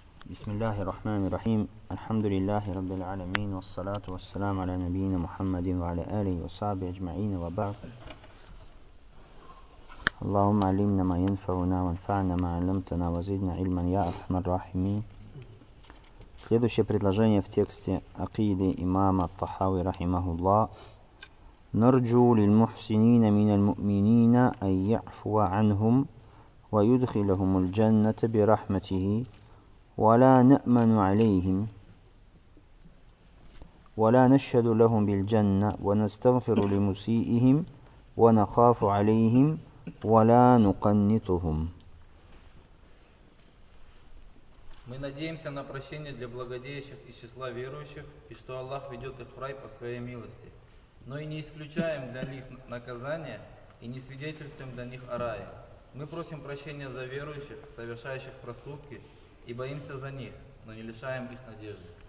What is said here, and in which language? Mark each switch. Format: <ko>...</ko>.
<ar>بسم الله الرحمن الرحيم الحمد لله رب العالمين والصلاة والسلام على نبينا محمد وعلى آله وصحبه أجمعين وبعد اللهم علمنا ما ينفعنا وانفعنا ما علمتنا وزدنا علما يا أرحم الراحمين.</ar> <ru>Следующее предложение в тексте Акиды имама Ат-Тахави رحمه الله.</ru> <ar>نرجو للمحسنين من المؤمنين أن يعفو عنهم ويدخلهم الجنة برحمته ولا نأمن عليهم ولا نشهد لهم بالجنة ونستغفر لمسيئهم ونخاف عليهم ولا نقنطهم.</ar> <ru>Мы надеемся на прощение для благодеющих из числа верующих и что Аллах ведет их в рай по своей милости, но и не исключаем для них наказание и не свидетельствуем для них о рае. Мы просим прощения за верующих, совершающих проступки, и боимся за них, но не лишаем их надежды.</ru>